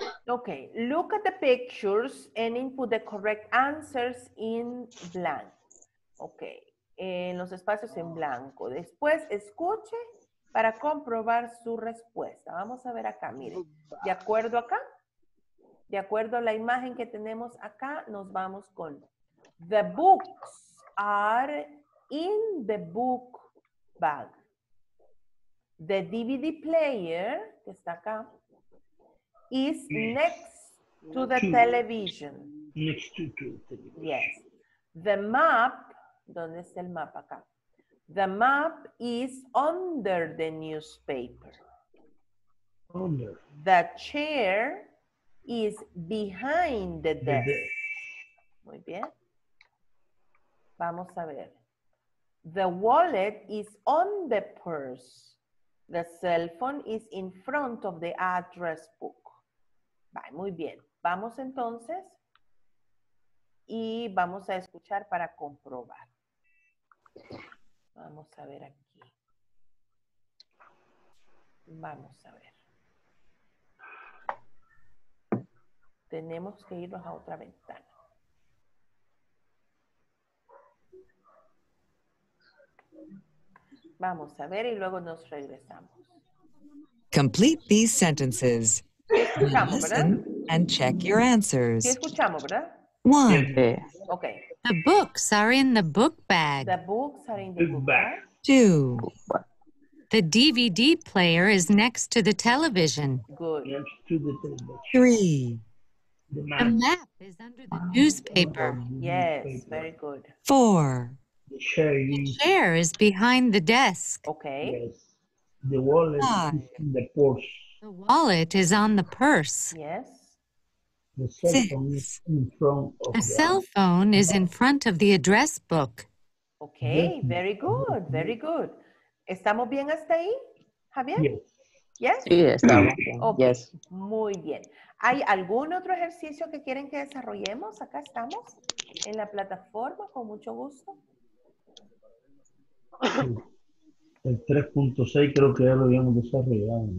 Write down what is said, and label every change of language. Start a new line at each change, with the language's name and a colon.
English: Okay, look at the pictures and input the correct answers in blank.
Spanish: Okay, en los espacios en blanco. Después escuche para comprobar su respuesta. Vamos a ver acá, mire. De acuerdo acá, de acuerdo a la imagen que tenemos acá, nos vamos con
English: the books are in the book bag. The DVD player,
Spanish: que está acá,
English: is next to the television. Next to the television. Yes. The map,
Spanish: ¿dónde está el mapa acá?
English: The map is under the newspaper. Under. The chair is behind the desk. The desk.
Spanish: Muy bien. Vamos a ver.
English: The wallet is on the purse. The cell phone is in front of the address book.
Spanish: Vale, muy bien. Vamos entonces y vamos a escuchar para comprobar. Vamos a ver aquí. Vamos a ver. Tenemos que irnos a otra ventana. Vamos a ver y luego nos regresamos.
English: Complete these sentences. Listen and check your answers. One. Okay. The books are in the book bag. The books are in the book bag. Two. The DVD player is next to the television. Good. Three. The map is under the newspaper. Yes, very good. Four. The chair is behind the desk. Okay. Yes. The wallet is in the purse. The wallet is on the purse. Yes. The cell phone is in front of the cell phone is in front of the address book. Okay, very good, very good.
Spanish: ¿Estamos bien hasta ahí, Javier?
English: Yes. Yes?
Spanish: Sí, estamos bien. Okay.
English: Yes.
Spanish: Muy bien. ¿Hay algún otro ejercicio que quieren que desarrollemos? Acá estamos en la plataforma, con mucho gusto. El 3.6 creo que ya lo habíamos desarrollado.